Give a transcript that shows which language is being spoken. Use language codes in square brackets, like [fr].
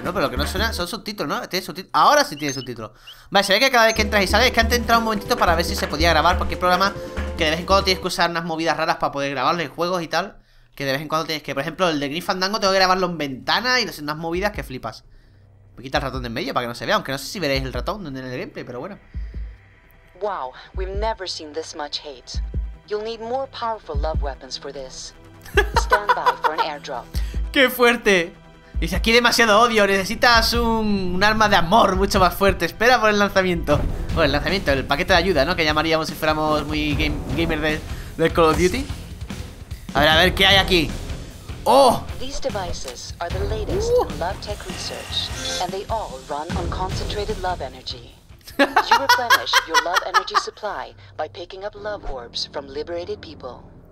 [es] No, pero lo que no suena son subtítulos, ¿no? Tiene subtítulos. Ahora sí tiene subtítulos. Vale, se ve que cada vez que entras y sales, es que antes he entrado un momentito para ver si se podía grabar, porque hay programas que de vez en cuando tienes que usar unas movidas raras para poder grabarlo en juegos y tal. Que de vez en cuando tienes que, por ejemplo, el de Grim Fandango tengo que grabarlo en ventana y hacer unas movidas que flipas. Voy a quitar el ratón de en medio para que no se vea, aunque no sé si veréis el ratón en el gameplay, pero bueno. [en] Wow, we've never seen this much hate. You'll need more powerful love weapons for this. Stand by for an airdrop. [es] ¡Qué fuerte! Dice, aquí hay demasiado odio, necesitas un arma de amor mucho más fuerte. Espera por el lanzamiento. Bueno, el lanzamiento, el paquete de ayuda, ¿no? Que llamaríamos si fuéramos muy gamer de Call of Duty. A ver qué hay aquí. ¡Oh! [en] These devices are the latest in love tech research, and they all run on concentrated love energy. You replenish your love energy supply by picking up love orbs from liberated people.